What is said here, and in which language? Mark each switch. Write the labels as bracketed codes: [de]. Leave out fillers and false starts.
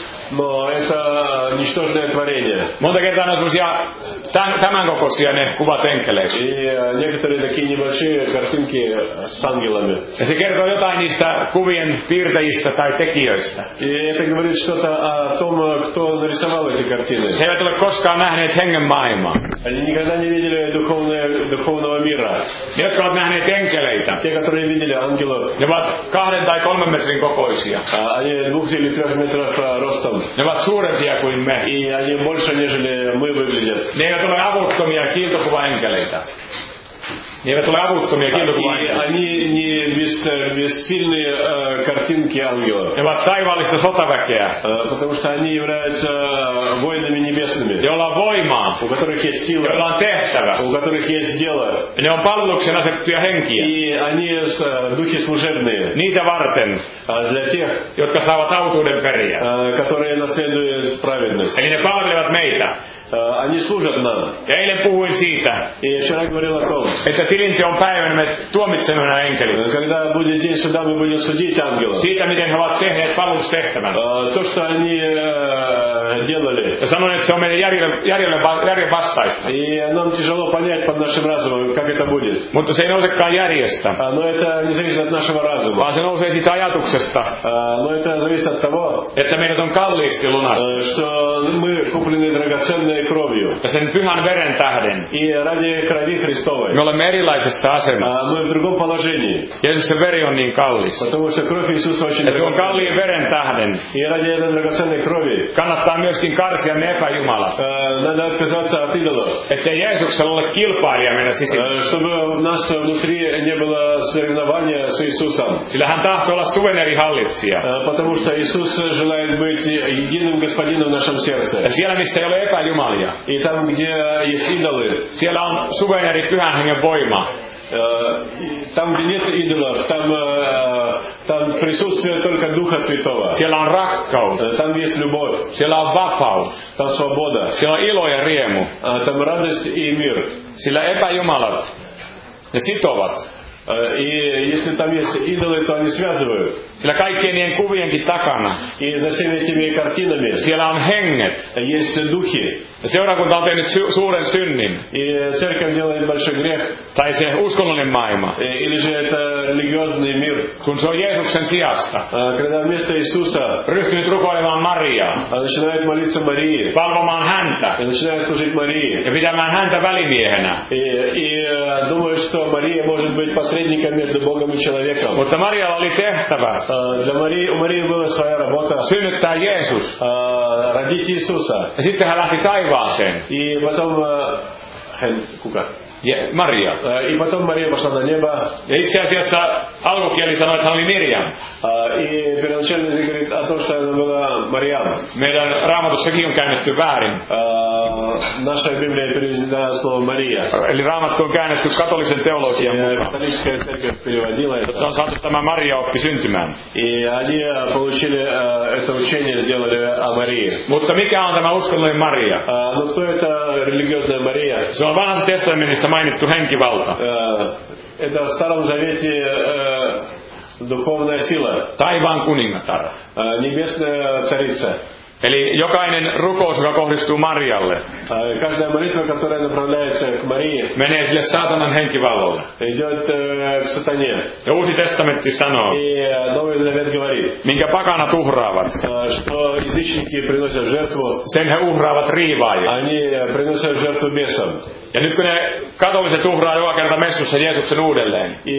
[ru] Но это ничтожное творение. [fi] Monta kertaa ne on semmosia tämän kokoisia ne kuvat enkeleistä. [ru] И некоторые такие небольшие картинки с ангелами. [fi] Ja se kertoo jotain niistä kuvien piirtäjistä tai tekijöistä. [ru] И это говорит что-то о том, кто нарисовал эти картины. [fi] He eivät ole koskaan nähneet hengen maailmaa. Eli [ru] никогда не видели духовного мира. [fi] Ne, jotka ovat nähneet enkeleitä. [ru] Те, которые видели ангелов. [fi] Ne ovat 2 tai 3 metrin kokoisia. [ru] Они 2 или 3 метров ростом. [fi] Ne ovat suurempia kuin me. [ru] И они больше, нежели мы выглядят. [fi] Ne eivät ole avuttomia kiiltokuva enkeleitä. Ne eivät ole avuttomia kiiltokuva enkeleitä. [ru] Они не бессильные картинки ангелов. [fi] Ne ovat taivaallista sotaväkeä. [ru] Потому что они являются воинами небесными. [fi] Joilla on voimaa. [ru] У которых есть сила. [fi] Joilla on tehtävä. [ru] У которых есть дело. [fi] Ne on palveluksen asettuja henkiä. [ru] И они духи служебные. [fi] Niitä varten. [ru] Для тех, [fi] jotka saavat autuuden periä. [ru] Которые наследуют праведность. [fi] Eli ne palvelevat meitä. [ru] Они служат нам. [fi] Ja eilen puhuin siitä. [ru] И вчера говорил о том. [fi] Että tilinti on päivän, me tuomitsemme nämä enkelit. [ru] Когда будет день суда, мы будем судить ангелов. [fi] Siitä, miten he ovat tehneet palvelustehtävän. [ru] То, что они делали. [fi] Ja sanoin, että se on meidän järjelle vastaista. [ru] И нам тяжело понять под нашим разумом, как это будет. [fi] Mutta se ei nousekaan järjestä. [ru] Но это не зависит от нашего разума. [fi] Vaan se nousee siitä ajatuksesta. [ru] Но это зависит от того. [fi] Että meidät on kalliisti lunasta. [ru] Что мы куплены драгоценной кровью. [fi] Ja sen pyhän veren tähden. [ru] И ради крови Христовой. [fi] Me olemme erilaisessa asemassa. [ru] Мы в другом положении. [fi] Jeesuksen veri on niin kallis. [ru] Потому что кровь Иисуса очень дорога. [fi] Että on kalliin veren tähden. [ru] И ради этой драгоценной крови. [fi] Kannattaa myöskin karsia ne epäjumalat. [ru] Надо отказаться от идолов. [fi] Että Jeesuksella ole kilpailija meidän sisimmä. [ru] Чтобы у нас внутри не было соревнования с Иисусом. [fi] Sillä hän tahtoo olla suvereeni hallitsija. [ru] Потому что Иисус желает быть единым господином в нашем сердце. [fi] Ja siellä, missä ei ole epäjumalia. [ru] И там, где есть идолы. [fi] Siellä on suvereeni pyhän hengen voima. [ru] Там, где нет идолов, там присутствие только Духа Святого. [fi] Siellä on rakkaus. [ru] Там есть любовь. [fi] Siellä on vapaus. [ru] Там свобода. [fi] Siellä on ilo ja riemu. [ru] Там радость и мир. [fi] Sillä epäjumalat, ne sitovat. [ru] И если там есть идолы, то они связывают. [fi] Sillä kaikkien niiden kuvienkin takana. [ru] И за всеми этими картинами. [fi] Siellä on henget. [ru] Есть духи. [fi] Seurakunta on tehnyt suuren synnin. [ru] И церковь делает большой грех. [fi] Tai se uskonnollinen maailma. [ru] Или же это религиозный мир. [fi] Kun se on Jeesuksen sijasta. [ru] Когда вместо Иисуса. [fi] Ryhtynyt rukoilemaan Mariaa. [ru] Начинает молиться Марии. [fi] Palvomaan häntä. [ru] И начинает служить Марии. [fi] Ja pitämään häntä välimiehenä. [ru] И думаю, что Мария может быть посредником между Богом и человеком. [fi] Mutta Marialla oli tehtävä. [ru] У Марии была своя работа. [fi] Synnyttää Jeesus. [ru] Родить Иисуса. [fi] Ja sitten hän lähti taivaaseen. [ru] И потом [fi] hän, kuka? Maria. [ru] И потом Мария пошла на небо. [fi] Ja itse asiassa alkukieli sanoi, että hän oli Mirjam. [ru] И первоначально говорит о том, что она была Мариам. [fi] Meidän Raamatussakin on käännetty väärin. [ru] Наша Библия переведена словом Мария. [fi] Eli Raamattu on käännetty katolisen teologian mukaan. Se on saatu tämä Maria oppi syntymään. [ru] И они получили это учение, сделали о Марии. [fi] Mutta mikä on tämä uskonnollinen Maria? [ru] Ну кто это религиозная Мария? [fi] Se on vanhassa testamentissa mainittu henkivalta. [ru] Это в Старом Завете духовная сила. [fi] Taivaan kuningatar. [ru] Небесная царица. [fi] Eli jokainen rukous, joka kohdistuu Marialle, [ru] каждая молитва, которая направляется к Марии, [fi] menee sille saatanan henkivallolle. [ru] Идет к сатане. [fi] Ja Uusi testamentti sanoo, [ru] и Новый Завет говорит, [fi] minkä pakanat uhraavat, [ru] что язычники приносят жертву, [fi] sen he uhraavat riivaajille. [ru] Они приносят жертву бесам. [fi] Ja nyt kun ne katoliset uhraa joka kerta messussa Jeesuksen uudelleen.